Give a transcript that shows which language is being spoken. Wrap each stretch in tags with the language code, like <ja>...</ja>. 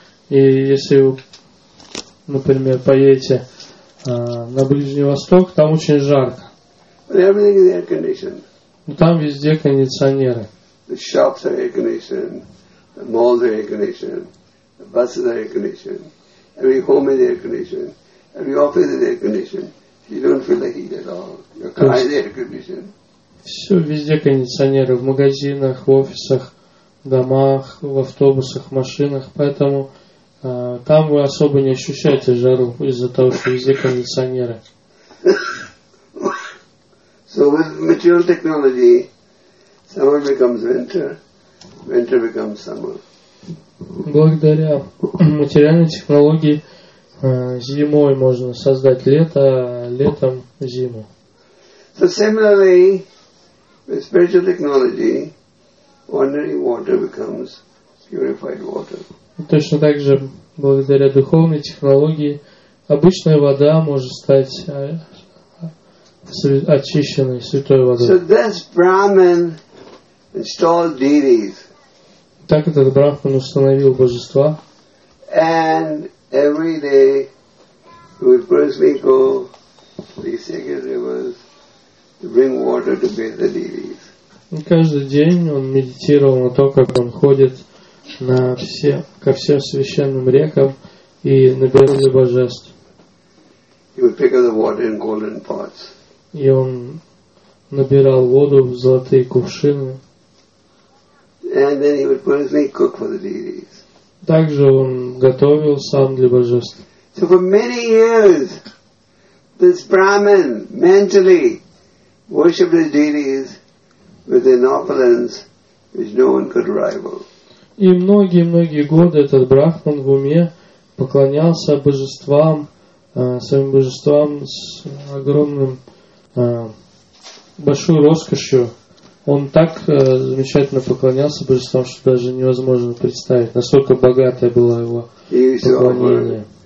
<ru>И если вы, например, поедете на Ближний Восток, там очень жарко. Но там везде кондиционеры.</ru> <en>The shops are air-conditioned, the malls are air-conditioned, the buses are air-conditioned, every home is air-conditioned, every office is air-conditioned. You don't feel the heat at all. Your car is air-conditioned.</en> <ru>Все, везде кондиционеры, в магазинах, в офисах, в домах, в автобусах, в машинах, поэтому там вы особо не ощущаете жару из-за того, что везде кондиционеры.</ru> <en>So with material technology, summer becomes winter, winter becomes summer.</en> <ru>Благодаря материальной технологии зимой можно создать лето, летом зиму.</ru> <en>So similarly, with spiritual technology, ordinary water becomes purified water.</en> <ru>Точно так же, благодаря духовной технологии, обычная вода может стать очищенной, святой водой.</ru> <en>So this Brahman installed deities.</en> <ru>Так этот Брахман установил божества.</ru> <en>And every day he would personally go to the sacred rivers to bring water to bathe the deities.</en> <ru>И каждый день он медитировал на то, как он ходит на все, ко всем священным рекам и набирал божеств.</ru> <en>He would pick up the water in golden pots.</en> <ru>И он набирал воду в золотые кувшины.</ru> <en>And then he would personally cook for the deities.</en> <ru>Также он готовил сам для божеств.</ru> <en>So for many years, this Brahmin mentally worshipped his deities with an opulence which no one could rival.</en> <ru>И многие-многие годы этот брахман в уме поклонялся божествам, своим божествам с огромным большой роскошью. Он так замечательно поклонялся божествам, что даже невозможно представить, насколько богатое было его поклонение.</ru>